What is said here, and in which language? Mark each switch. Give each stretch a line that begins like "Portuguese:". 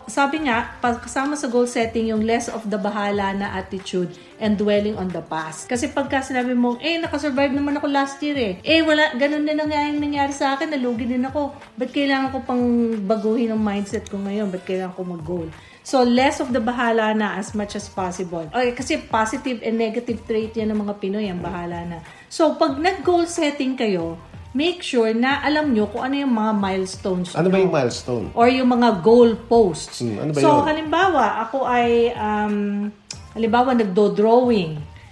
Filipino: Sabi nga, kasama sa
English: goal setting, yung less of the bahala na attitude and dwelling on the past.
Filipino: Kasi pagka sinabi mo, nakasurvive naman ako last year wala, ganun din ang nangyari sa akin, nalugi din ako. Ba't kailangan ko pang baguhin ang mindset ko ngayon? Ba't kailangan ko mag-goal?
English: So, less of the bahala na as much as possible.
Filipino: Okay, kasi positive and negative trait yan ng mga Pinoy, ang bahala na. So, pag nag-goal setting kayo,
English: make sure
Filipino: na alam nyo kung ano yung mga milestones. Ano ba yung milestone? Or yung mga goal posts. Ano ba yun? So, halimbawa, ako ay, halimbawa, nagdo-drawing.